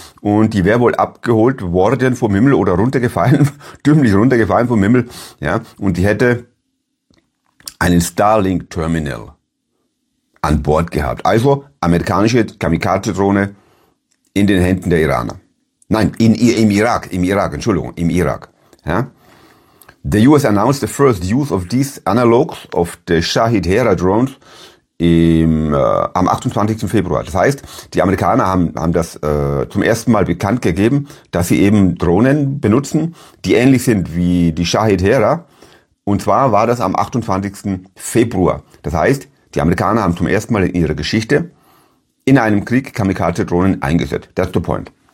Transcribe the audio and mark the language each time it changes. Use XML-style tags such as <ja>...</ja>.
<de>Und die wäre wohl abgeholt worden vom Himmel oder runtergefallen, dümmlich runtergefallen vom Himmel. Ja, und die hätte einen Starlink-Terminal an Bord gehabt. Also amerikanische Kamikaze-Drohne in den Händen der Iraner. Nein, im Irak. Ja?</de> <en>The US announced the first use of these analogs of the Shahed Hera drones</en> <de>am 28. Februar. Das heißt, die Amerikaner haben das zum ersten Mal bekannt gegeben, dass sie eben Drohnen benutzen, die ähnlich sind wie die Shahed Hera. Und zwar war das am 28. Februar. Das heißt, die Amerikaner haben zum ersten Mal in ihrer Geschichte in einem Krieg Kamikaze-Drohnen eingesetzt.</de> <en>That's the point.</en>